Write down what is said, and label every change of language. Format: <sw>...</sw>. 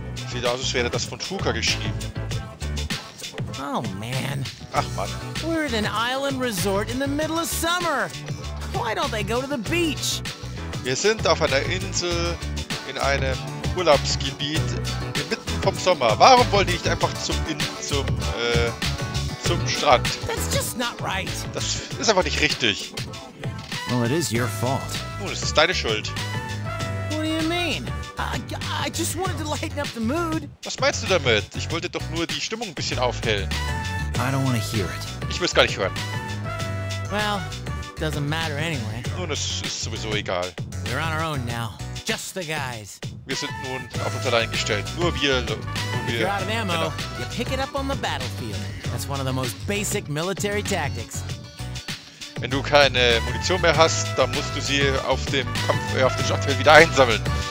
<de>Sieht aus, als wäre das von Fuka geschrieben.</de> <en>Oh man.</en> <de>Ach man.</de> <en>We're at an island resort in the middle of summer. Why don't they go to the beach?</en> <de>Wir sind auf einer Insel in einem Urlaubsgebiet mitten vom Sommer. Warum wollen die nicht einfach zum Strand?</de> <en>That's just not right.</en> <de>Das ist einfach nicht richtig.</de> <en>Well, it is your fault.</en> <de>Oh, das ist deine Schuld.</de> <en>What do you mean? I just wanted to lighten up the mood.</en> <de>Was meinst du damit? Ich wollte doch nur die Stimmung ein bisschen aufhellen.</de> <en>I don't want to hear it.</en> <de>Ich will es gar nicht hören.</de> <en>Well, doesn't matter anyway.</en> <de>Nun, es ist sowieso egal.</de> <en>We're on our own now. Just the guys.</en> <de>Wir sind nun auf uns allein gestellt. Nur wir.</de> <en>You're out of ammo. Genau. You pick it up on the battlefield. That's one of the most basic military tactics.</en> <de>Wenn du keine Munition mehr hast, dann musst du sie auf dem Schlachtfeld wieder einsammeln.</de>